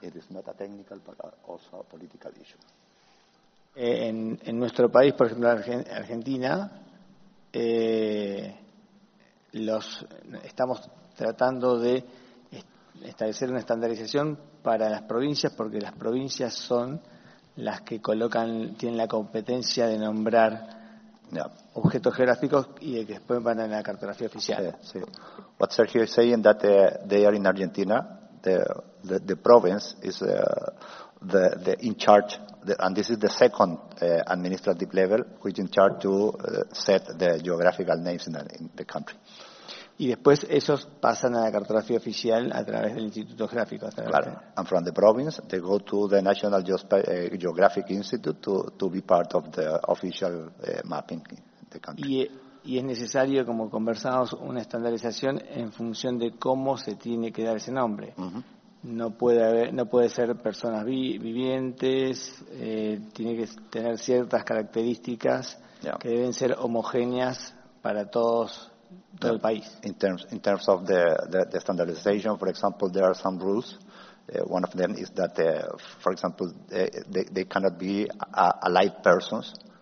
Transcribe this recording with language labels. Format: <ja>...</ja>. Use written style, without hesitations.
<en>It is not a technical, but also a political issue.</en> <es>En nuestro país, por ejemplo, Argentina, estamos tratando de establecer una estandarización para las provincias, porque las provincias son las que tienen la competencia de nombrar objetos geográficos y de que después van a la cartografía oficial. Sí.</es> <en>What Sergio is saying that they are in Argentina, the province is the in charge, and this is the second administrative level which in charge to set the geographical names in the country.</en> <es>Y después esos pasan a la cartografía oficial a través del Instituto Geográfico. Claro.</es> <en>And from the province, they go to the National Geographic Institute to be part of the official mapping in the country.</en> <es>Y y es necesario, como conversamos, una estandarización en función de cómo se tiene que dar ese nombre. Uh-huh. No puede ser personas vivientes, tiene que tener ciertas características que deben ser homogéneas para todo el país.</es> <en>In terms of the standardization, for example, there are some rules. One of them is that, for example, they cannot be alive persons.</en>